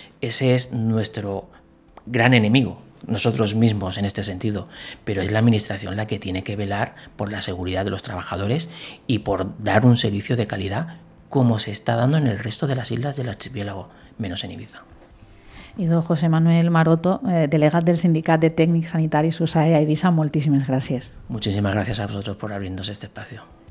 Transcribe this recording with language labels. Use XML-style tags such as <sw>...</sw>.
<es>Ese es nuestro gran enemigo, nosotros mismos en este sentido, pero es la administración la que tiene que velar por la seguridad de los trabajadores y por dar un servicio de calidad como se está dando en el resto de las islas del archipiélago, menos en Ibiza.</es> <ca>I don José Manuel Maroto, delegat del Sindicat de Tècnics Sanitaris USAE a Ibiza, moltíssimes gràcies.</ca> <es>Muchísimas gracias a vosotros por abrirnos este espacio.</es>